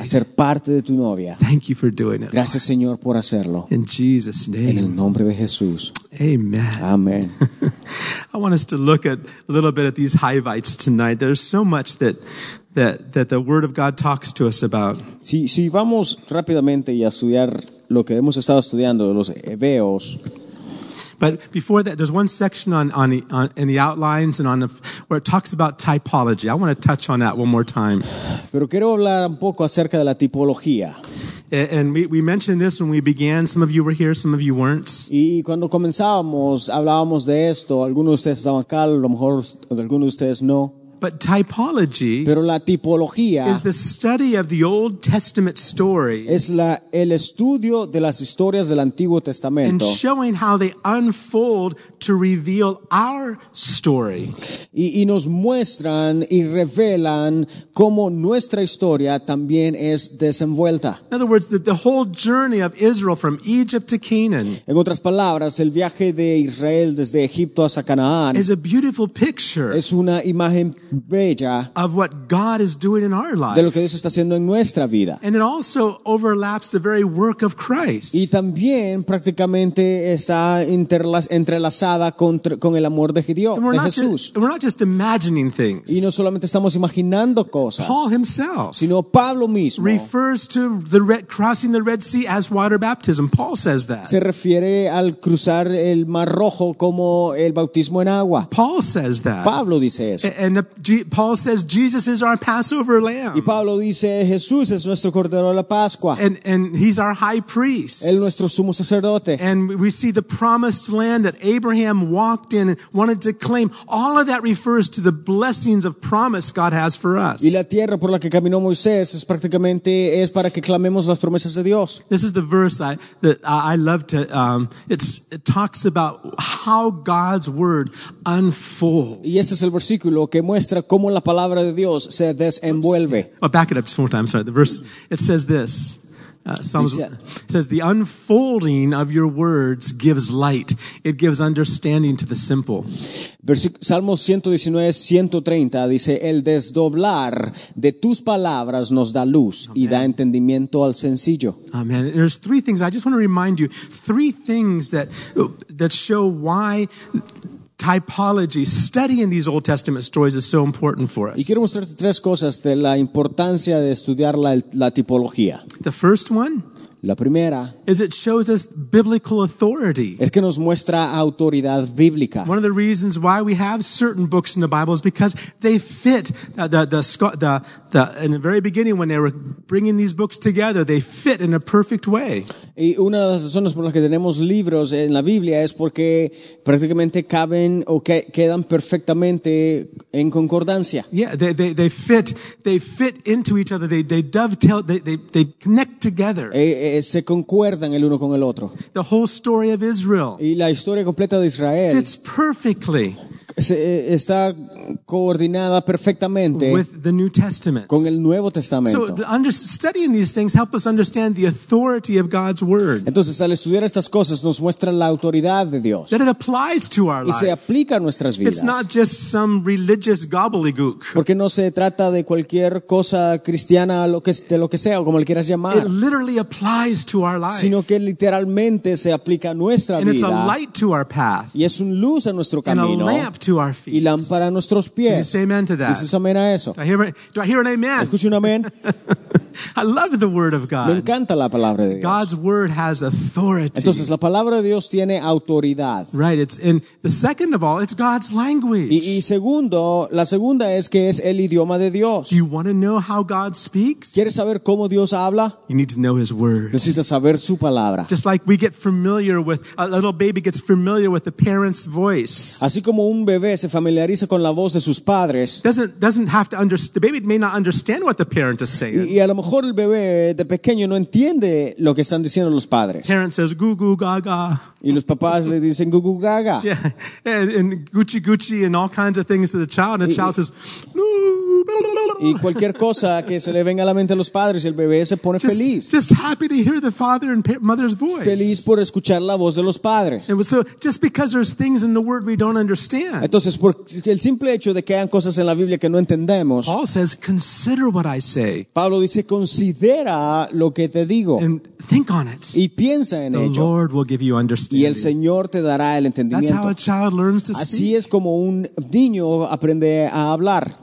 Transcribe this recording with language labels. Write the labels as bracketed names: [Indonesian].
[Spanish] A ser parte de tu novia. [English] Thank you for doing it. [Spanish] Gracias, [English] Lord. [Spanish] Señor, por hacerlo. [English] In Jesus. [Spanish] En el nombre de Jesús. [English] Amen. Amen. I want us to look at a little bit at these Hivites tonight. There's so much that the Word of God talks to us about. [Spanish] Si vamos rápidamente y a estudiar lo que hemos estado estudiando los heveos. [English] But before that, there's one section in the outlines and on the, where it talks about typology. I want to touch on that one more time. [Spanish] Pero quiero hablar un poco acerca de la tipología. [English] And we mentioned this when we began. Some of you were here, some of you weren't. [Spanish] Y cuando comenzábamos, hablábamos de esto. Algunos de ustedes estaban acá, a lo mejor algunos de ustedes no. [English] But typology, [Spanish] pero la tipología, [English] is the study of the Old Testament stories. [Spanish] Es el estudio de las historias del Antiguo Testamento. [English] And showing how they unfold to reveal our story. [Spanish] Y nos muestran y revelan cómo nuestra historia también es desenvuelta. [English] In other words, the whole journey of Israel from Egypt to Canaan. [Spanish] En otras palabras, el viaje de Israel desde Egipto hasta Canaán. [English] Is a beautiful picture. [Spanish] Es una imagen bella, [English] of what God is doing in our life. [Spanish] De lo que Dios está haciendo en nuestra vida. [English] And it also overlaps the very work of Christ. [Spanish] Y también prácticamente está entrelazada con el amor de Dios, de Jesús. [English] And we're not just imagining things. [Spanish] Y no solamente estamos imaginando cosas. [English] Paul himself, [Spanish] sino Pablo mismo, [English] refers to the crossing the Red Sea as water baptism. Paul says that. [Spanish] Se refiere al cruzar el Mar Rojo como el bautismo en agua. [English] Paul says that. [Spanish] Pablo dice eso. [English] And Paul says Jesus is our Passover lamb. [Spanish] Y Pablo dice Jesús es nuestro cordero de la Pascua. [English] And he's our high priest. [Spanish] Él nuestro sumo sacerdote. [English] And we see the promised land that Abraham walked in and wanted to claim. All of that refers to the blessings of promise God has for us. [Spanish] Y la tierra por la que caminó Moisés es prácticamente es para que clamemos las promesas de Dios. [English] This is the verse that I love to it talks about how God's word unfolds. [Spanish] Y ese es el versículo que muestra cómo la palabra de Dios se desenvuelve. [English] Oh, back it up just one more time. Sorry, the verse, it says this. It says, the unfolding of your words gives light. It gives understanding to the simple. [Spanish] Salmos 119:130 dice, el desdoblar de tus palabras nos da luz y da entendimiento al sencillo. [English] Amen. There's three things. I just want to remind you, three things that show why typology, studying these Old Testament stories is so important for us. [Spanish] Y quiero mostrarte tres cosas de la importancia de estudiar la tipología. [English] The first one, [Spanish] la primera, [English] is it shows us biblical authority. [Spanish] Es que nos muestra autoridad bíblica. [English] One of the reasons why we have certain books in the Bible is because they fit the in the very beginning when they were bringing these books together, they fit in a perfect way. [Spanish] Y una de las razones por las que tenemos libros en la Biblia es porque prácticamente caben o quedan perfectamente en concordancia. [English] Yeah, they fit into each other. They dovetail. They connect together. [Spanish] Se concuerdan el uno con el otro. [English] The whole story of Israel. [Spanish] Y la historia completa de Israel. [English] Fits perfectly. [Spanish] Está coordinada perfectamente [English] with the New Testament. [Spanish] Con el Nuevo Testamento. [English] Studying these things help us understand the authority of God's word. [Spanish] Entonces, al estudiar estas cosas, nos muestra la autoridad de Dios. [English] That it applies to our life. [Spanish] Y se aplica a nuestras vidas. [English] It's not just some religious gobbledygook. [Spanish] Porque no se trata de cualquier cosa cristiana, lo que sea, o como le quieras llamar. [English] It literally applies to our life. [Spanish] Sino que literalmente se aplica a nuestra [English] and [Spanish] vida. [English] It's a light to our path. [Spanish] Y es un luz a nuestro camino. [English] And a lamp to our feet. [Spanish] Y lámpara a nuestros pies. [English] Can you say amen to that? [Spanish] Dices amén a eso. [English] Do I hear an amen? [Spanish] Escucho un amén. [English] I love the word of God. [Spanish] Me encanta la palabra de Dios. [English] God's word has authority. [Spanish] Entonces la palabra de Dios tiene autoridad. [English] Right, it's in the second of all, it's God's language. [Spanish] Y segundo, la segunda es que es el idioma de Dios. [English] Do you want to know how God speaks? [Spanish] ¿Quieres saber cómo Dios habla? [English] You need to know his word. [Spanish] Necesitas saber su palabra. [English] Just like we get familiar with a little baby gets familiar with the parent's voice. [Spanish] Así como un bebé se familiariza con la voz de sus padres. [English] Doesn't have to understand. The baby may not understand what the parent is saying. [Spanish] Y a lo mejor el bebé de pequeño no entiende lo que están diciendo los padres. [English] Parent says goo goo gaga. [Spanish] Y los papás le dicen goo goo gaga. [English] Yeah, and Gucci Gucci and all kinds of things to the child. And the child says no. [Spanish] Y cualquier cosa que se le venga a la mente a los padres y el bebé se pone feliz. [English] Just happy to hear the father and mother's voice. [Spanish] Feliz por escuchar la voz de los padres. [English] So just because there's things in the word we don't understand. [Spanish] Entonces por el simple hecho de que hayan cosas en la Biblia que no entendemos. [English] Paul says, consider what I say. [Spanish] Pablo dice, considera lo que te digo. [English] And think on it. [Spanish] Y piensa en [English] the [Spanish] ello. [English] The Lord will give you understanding. [Spanish] Y el Señor te dará el entendimiento. [English] That's how a child learns to [Spanish] Así es como un niño aprende a hablar.